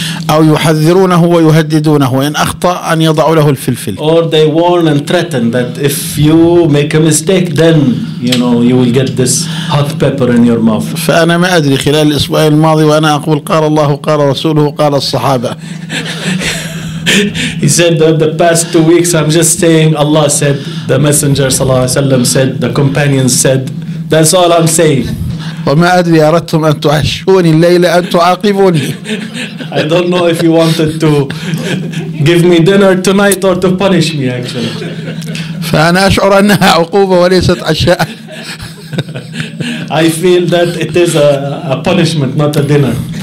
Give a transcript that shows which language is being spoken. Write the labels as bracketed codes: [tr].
[ar] أو يحذرونه ويهددونه إن أخطأ أن يضع له الفلفل. [en] Or they warn and threaten that if you make a mistake, then you know you will get this hot pepper in your mouth. [ar] فأنا ما أدري خلال الأسبوع الماضي وأنا أقول قال الله قال رسوله قال الصحابة. [en] He said that the past 2 weeks I'm just saying Allah said, the Messenger [ar] صلى الله عليه وسلم [en] said, the companions said. That's all I'm saying. [ar] وما أدري أردتم أن تعشوني الليلة أن تعاقبوني. [en] I don't know if you wanted to give me dinner tonight or to punish me actually. [ar] فأنا أشعر أنها عقوبة وليست عشاء. [en] I feel that it is a punishment, not a dinner.